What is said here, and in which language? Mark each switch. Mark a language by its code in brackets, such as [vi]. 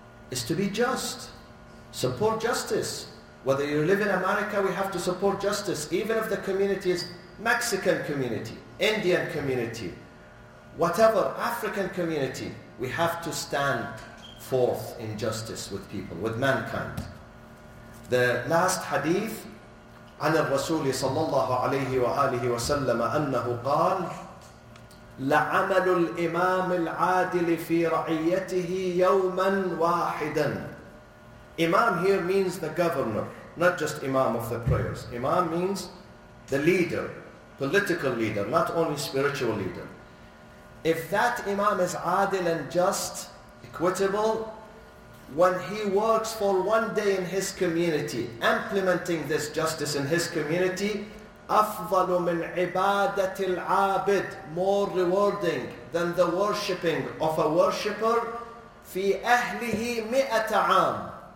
[en] It's to be just. Support justice. Whether you live in America, we have to support justice. Even if the community is Mexican community, Indian community, whatever, African community, we have to stand forth in justice with people, with mankind. The last hadith, [ar] عن الرسول صلى الله عليه وآله وسلم أنه قال لعمل الإمام العادل في رعيته يوما واحدا. [en] Imam here means the governor, not just Imam of the prayers. Imam means the leader, political leader, not only spiritual leader. If that Imam is adil and just, equitable, when he works for 1 day in his community, implementing this justice in his community, [ar] أفضل من عبادة العابد, [en] more rewarding than the worshipping of a worshipper, [ar] في أهله مئة عام.